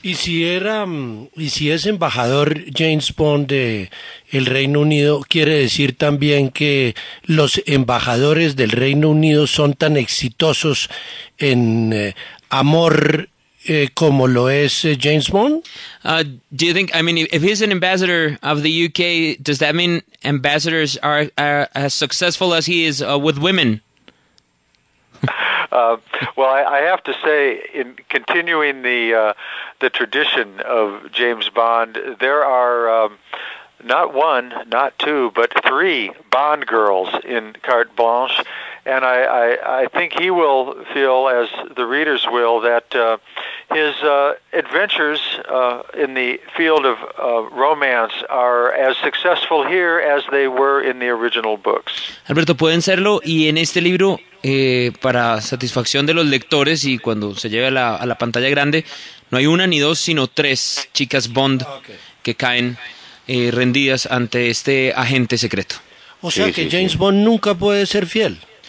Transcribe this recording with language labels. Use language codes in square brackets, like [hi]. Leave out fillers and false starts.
[es] ¿Y si era, y si es embajador James Bond de el Reino Unido, quiere decir también que los embajadores del Reino Unido son tan exitosos en amor como lo es James Bond? [en] Do you think, I mean, if he's an ambassador of the UK, does that mean ambassadors are as successful as he is with women? Well, I have to say, in continuing the tradition of James Bond, there are not one, not two, but three Bond girls in Carte Blanche, and I think he will feel, as the readers will, that his adventures in the field of romance are as successful here as they were in the original books. [es] Alberto, pueden serlo, y en este libro, para satisfacción de los lectores y cuando se lleve a la pantalla grande, no hay una ni dos, sino tres chicas Bond que caen rendidas ante este agente secreto. O sea, sí, que sí, James Bond nunca puede ser fiel.